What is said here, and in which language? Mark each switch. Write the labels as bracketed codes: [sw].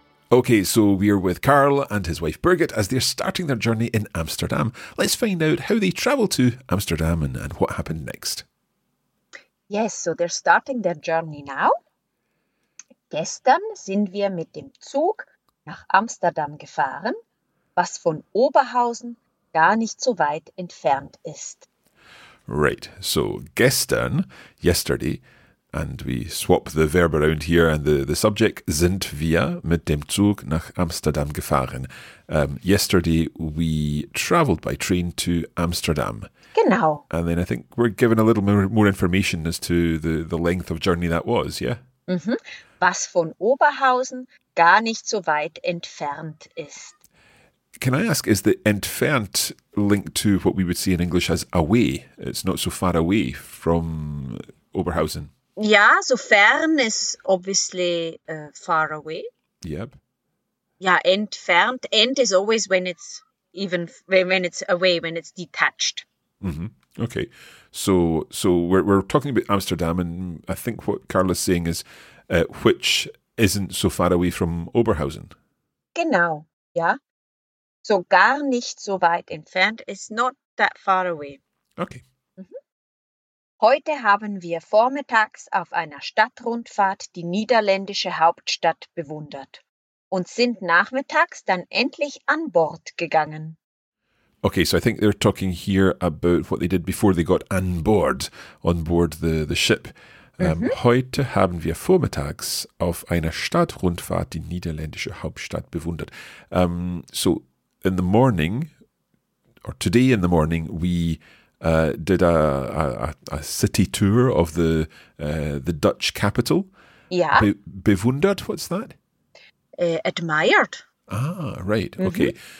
[en] Okay, so we're with Carl and his wife Birgit as they're starting their journey in Amsterdam. Let's find out how they travel to Amsterdam and what happened next. Yes, so they're starting their journey now. [de] Gestern sind wir mit dem Zug nach Amsterdam gefahren, was von Oberhausen gar nicht so weit entfernt ist. [en] Right, so [de] gestern, [en] yesterday, and we swap the verb around here and the subject, [de] sind wir mit dem Zug nach Amsterdam gefahren. [en] Yesterday we travelled by train to Amsterdam. [de] Genau. [en] And then I think we're given a little more information as to the length of journey that was, yeah? Mm-hmm. [de] Was von Oberhausen gar nicht so weit entfernt ist. [en] Can I ask, is the entfernt linked to what we would see in English as away? It's not so far away from Oberhausen. Ja, so fern is obviously far away. Yep. [de] Ja, entfernt. [en] End is always when it's away, when it's detached. Mm-hmm. Okay. So we're talking about Amsterdam, and I think what Carl is saying is which isn't so far away from Oberhausen. [de] Genau, ja. So gar nicht so weit entfernt. [en] It's not that far away. Okay. [de] Heute haben wir vormittags auf einer Stadtrundfahrt die niederländische Hauptstadt bewundert und sind nachmittags dann endlich an Bord gegangen. [en] Okay, so I think they're talking here about what they did before they got on board the ship. [de] Heute haben wir vormittags auf einer Stadtrundfahrt die niederländische Hauptstadt bewundert. [en] So in the morning, or today in the morning, we did a city tour of the Dutch capital. Yeah. Bewundert, what's that? Admired. Ah, right. Mm-hmm. Okay.